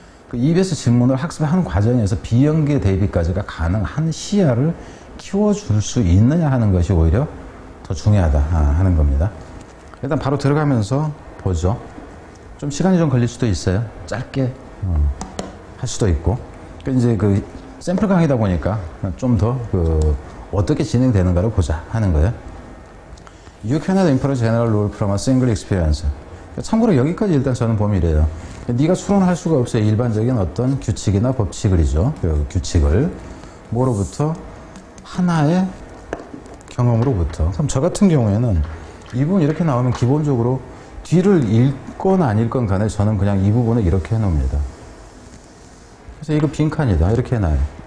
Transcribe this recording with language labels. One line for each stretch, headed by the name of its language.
Korean: 그 EBS 질문을 학습하는 과정에서 비연계 대비까지가 가능한 시야를 키워줄 수 있느냐 하는 것이 오히려 더 중요하다 하는 겁니다. 일단 바로 들어가면서 보죠. 좀 시간이 좀 걸릴 수도 있어요. 짧게 할 수도 있고 이제 그 샘플 강의다 보니까 좀 더 그 어떻게 진행되는가를 보자 하는 거예요.
English: You cannot infer a general rule from a single experience.
Korean: 참고로 여기까지 일단 저는 보면 이래요. 네가 추론할 수가 없어요. 일반적인 어떤 규칙이나 법칙을이죠. 그 규칙을 뭐로부터? 하나의 경험으로부터. 그럼 저 같은 경우에는 이 부분 이렇게 나오면 기본적으로 뒤를 읽건 안 읽건 간에 저는 그냥 이 부분을 이렇게 해놓습니다. 그래서 이거 빈칸이다. 이렇게 해놔요.